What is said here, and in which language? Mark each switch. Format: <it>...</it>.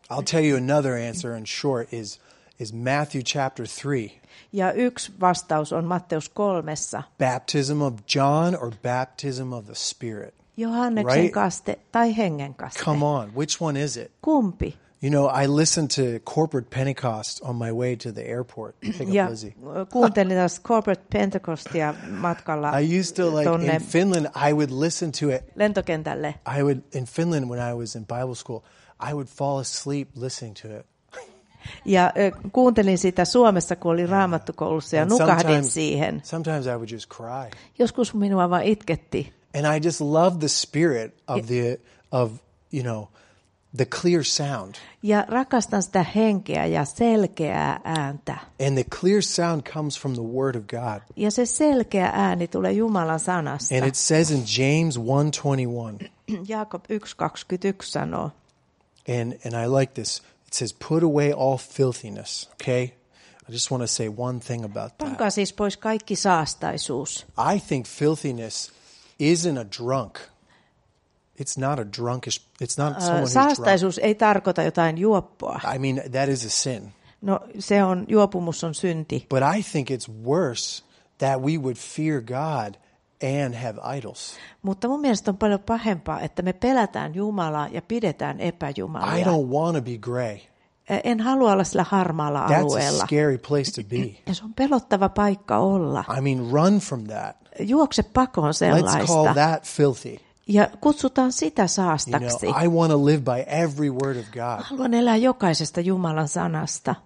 <en>I'll tell you another answer in short is Matthew chapter 3.</en> <fi>Ja yksi vastaus on Matteus 3:ssa.</fi> <en>Baptism of John or baptism of the Spirit.</en> <fi>Johanneksen</fi> <en>right?</en> <fi>kaste tai hengen kaste.</fi> <en>Come on, which one is it?</en> <fi>Kumpi?</fi> <en>You know, I listened to Corporate Pentecost on my way to the airport.</en> <fi>Kuuntelin taas Corporate Pentecostia matkalla.</fi> <en>I used to like in Finland I would listen to it.</en> <fi>Lentokentälle.</fi> <en>I would in Finland when I was in Bible school, I would fall asleep listening to it.</en> <fi>Ja kuuntelin sitä Suomessa, kun olin raamattukoulussa ja nukahdin siihen.</fi> <en>Sometimes I would just cry.</en> <fi>Joskus minua vaan itketti.</fi> <en>And I just love the spirit of the of you know the clear sound.</en> <fi>Ja rakastan sitä henkeä ja selkeää ääntä.</fi> <en>And the clear sound comes from the word of God.</en> <fi>Ja se selkeä ääni tulee Jumalan sanasta.</fi> <en>And it says in James 1:21.</en> <fi>Jaakob 1:21 sanoo.</fi> <en>And I like this. It says, put away all filthiness, okay? I just want to say one thing about that.</en> <fi>Pankaa siis pois kaikki saastaisuus.</fi> <en>I think filthiness isn't a drunk. It's not a drunkish, it's not someone who's drunk.</en> <fi>Saastaisuus ei tarkoita jotain juoppoa.</fi> <en>I mean, that is a sin.</en> <fi>No, se on, juopumus on synti.</fi> <en>But I think it's worse that we would fear God and have idols.</en> <fi>Mutta mun mielestä on paljon pahempaa, että me pelätään Jumalaa ja pidetään epäjumalia.</fi> <en>I don't want to be gray.</en> <fi>En halua olla sillä harmaalla alueella.</fi> <en>That's a scary place to be.</en> <fi>Ja se on pelottava paikka olla.</fi> <en>I mean, run from that.</en> <fi>Juokse pakoon sellaista.</fi> <en>Let's call that filthy.</en> <fi>Ja kutsutaan sitä saastaksi.</fi> <en>You know, I want to live by every word of God.</en> <fi>Haluan elää jokaisesta Jumalan sanasta.</fi>